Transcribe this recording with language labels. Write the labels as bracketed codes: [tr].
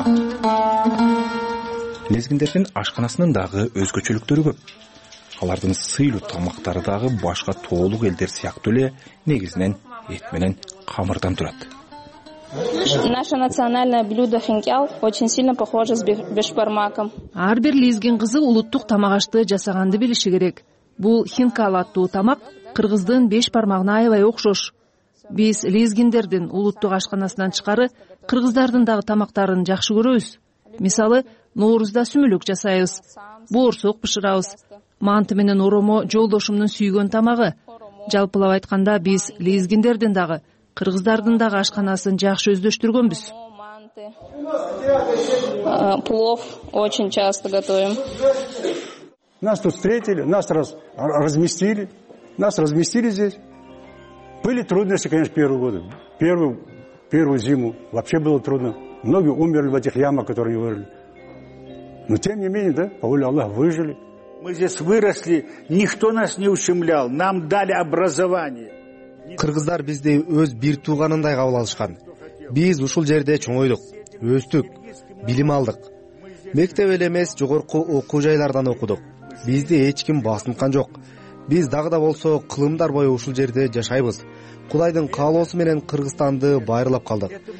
[ky] Лезгиндердин ашканасынын дагы өзгөчөлүктөрү көп. Алардын сыйлуу тамактары дагы башка тоолук элдер сыяктуу эле негизинен эт менен камырдан турат. [ru] Наше национальное блюдо хинкал очень сильно похоже с бешбармаком. [ky] Ар бир лезгин кызы улуттук тамак ашты жасаганды билиши керек. Бул хинкал аттуу тамак кыргыздын бешбармагына аябай окшош. Биз лезгиндердин улуттук ашканасынан чыгары кыргыздардын дагы тамактарын жакшы көрөбүз. Мисалы, Нооруздо сүмүлүк жасайбыз, боорсок пышырабыз, манты менен оромо жолдошумдун сүйгөн тамагы. Жалпылап айтканда, биз лезгиндердин дагы кыргыздардын дагы ашканасын жакшы өздөштүргөнбүз. [ru] Плов очень часто готовим. Нас тут встретили, нас разместили. Нас разместили здесь. Были трудности, конечно, первые годы. Первую зиму вообще было трудно. Многие умерли в этих ямах, которые вырыли. Но тем не менее, да, по воле Аллаха, выжили. Мы здесь выросли, никто нас не ущемлял. Нам дали образование. [ky] Кыргыздар бизди өз бир тууганындай кабыл алышкан. Биз ушул жерде чоңойдук, өстүк, билим алдык. Мектеп эле эмес, жогорку окуу жайлардан окудук. Бизди эч ким басынткан жок. Биз дагы да болсо кылымдар бою ушул жерде жашайбыз. Кудайдын каалоосу менен Кыргызстанды байырлап калдык.